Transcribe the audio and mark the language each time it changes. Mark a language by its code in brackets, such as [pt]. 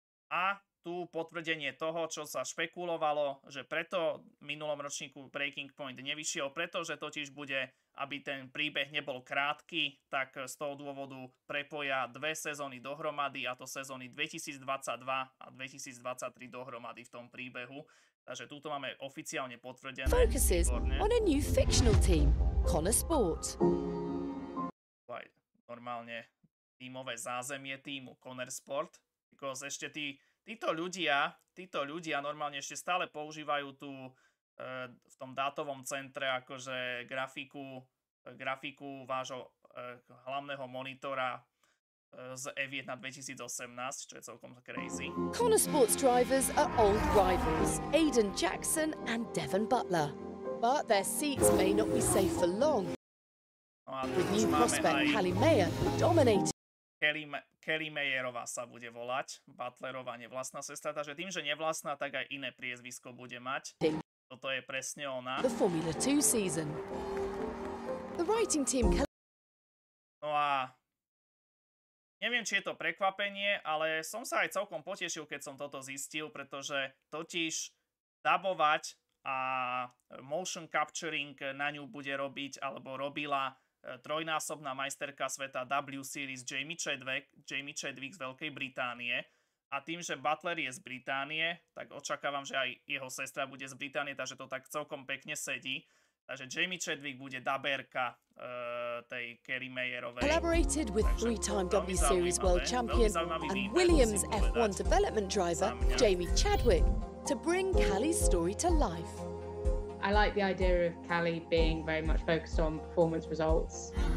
[sk] A tu potvrdenie toho, čo sa špekulovalo, že preto v minulom ročníku Breaking Point nevyšiel, pretože totiž bude, aby ten príbeh nebol krátky, tak z toho dôvodu prepoja dve sezóny dohromady, a to sezóny 2022 a 2023 dohromady v tom príbehu. Takže túto máme oficiálne potvrdené. [en] Focuses on a new fictional team, Connor Sport. [sk] Normálne tímové zázemie týmu Connor Sport. Because ešte títo ľudia normálne ešte stále používajú tu v tom dátovom centre akože grafiku vášho hlavného monitora z E1 2018, čo je celkom crazy. [en] Connor Sports drivers are old rivals, Aiden Jackson and Devon Butler. But their seats may not be safe for long. [sk] No a tu [en] new prospect Callie Mayer dominating. [sk] Kelly Mayerová sa bude volať, Butlerová nevlastná sestra, takže tým, že nevlastná, tak aj iné priezvisko bude mať. Toto je presne ona. [en] The Formula 2 season. The writing team. [sk] No a neviem, či je to prekvapenie, ale som sa aj celkom potešil, keď som toto zistil, pretože totiž dabovať a motion capturing na ňu bude robiť, alebo robila, trojnásobná majsterka sveta W Series Jamie Chadwick z Veľkej Británie, a tým, že Butler je z Británie, tak očakávam, že aj jeho sestra bude z Británie, takže to tak celkom pekne sedí. Takže Jamie Chadwick bude dabérka tej Kelly Mayerovej. [en] Collaborated with three-time W Series world champion and Williams F1 development driver Jamie Chadwick to bring Callie's story to life. I like the idea of Callie being very much focused on performance results.